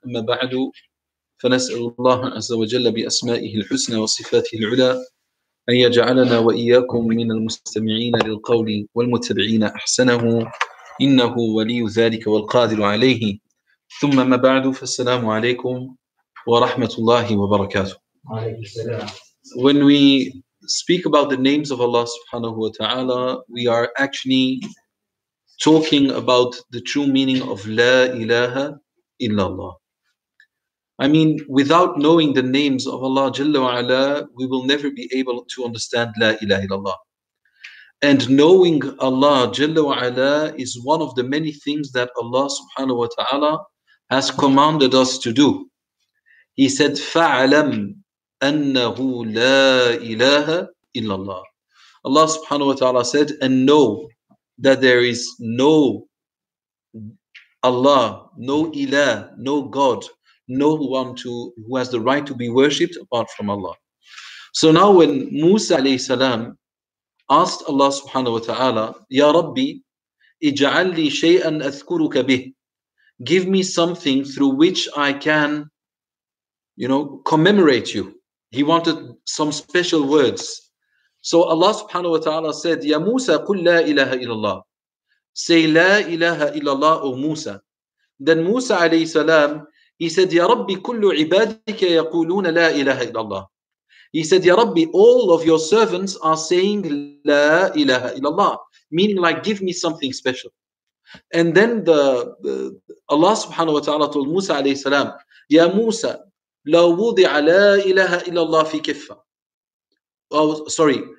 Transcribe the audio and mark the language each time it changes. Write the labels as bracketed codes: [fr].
[ar] اما بعد، فنسال الله عز وجل باسمائه الحسنى وصفاته العلى ان يجعلنا واياكم من المستمعين للقول والمتبعين احسنه، انه ولي ذلك والقادر عليه. ثم ما بعد، فالسلام عليكم وَرَحْمَةُ اللَّهِ وَبَرَكَاتُهُ. [en] When we speak about the names of Allah subhanahu wa ta'ala, we are actually talking about the true meaning of La ilaha illallah. I mean, without knowing the names of Allah jalla wa ala, we will never be able to understand La ilaha illallah. And knowing Allah jalla wa ala is one of the many things that Allah subhanahu wa ta'ala has commanded us to do. He said, [ar] فَعَلَمْ أَنَّهُ لَا إِلَهَ إِلَّا اللَّهُ. [en] Allah subhanahu wa ta'ala said, and know that there is no Allah, no ilah, no God, no one to who has the right to be worshipped apart from Allah. So now when Musa alayhi salam asked Allah subhanahu wa ta'ala, [ar] يَا رَبِّ اِجْعَلْ لِي شَيْئًا أَذْكُرُكَ بِهِ. [en] Give me something through which I can, you know, commemorate you. He wanted some special words. So Allah subhanahu wa ta'ala said, Ya Musa, [ar] قُلْ لَا إِلَهَ إِلَى اللَّهِ. [en] Say, [ar] لَا إِلَهَ إِلَى اللَّهِ, [en] O Musa. Then Musa alayhi salam, he said, Ya Rabbi, [ar] كُلُّ عِبَادِكَ يَقُولُونَ لَا إِلَهَ إِلَى اللَّهِ. [en] He said, Ya Rabbi, all of your servants are saying, [ar] لَا إِلَهَ إِلَى اللَّهِ. [en] Meaning like, give me something special. And then Allah subhanahu wa ta'ala told Musa alayhi salam, Ya Musa, [ar] لَوْ وُضِعَ لَا إِلَهَ إِلَّا اللَّهِ فِي كَفَّةٍ. [en] Oh, sorry.